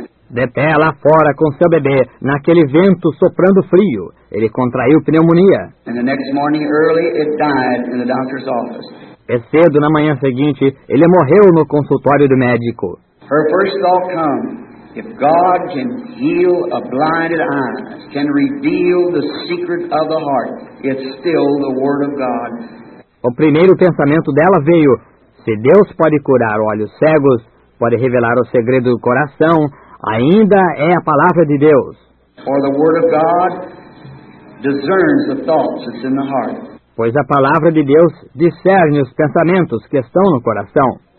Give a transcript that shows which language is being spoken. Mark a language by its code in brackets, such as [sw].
[pt] De pé lá fora com seu bebê, naquele vento soprando frio. Ele contraiu pneumonia. [en] E no next morning early, it died in the doctor's office. [pt] E cedo na manhã seguinte, ele morreu no consultório do médico. [en] Her first thought comes, if God can heal a blinded eye, can reveal the secret of the heart, it's still the word of God. [pt] O primeiro pensamento dela veio, se Deus pode curar olhos cegos, pode revelar o segredo do coração, ainda é a palavra de Deus. [en] For the word of God discerns the thoughts that's in the heart. [pt] Pois a palavra de Deus discerne os pensamentos que estão no coração.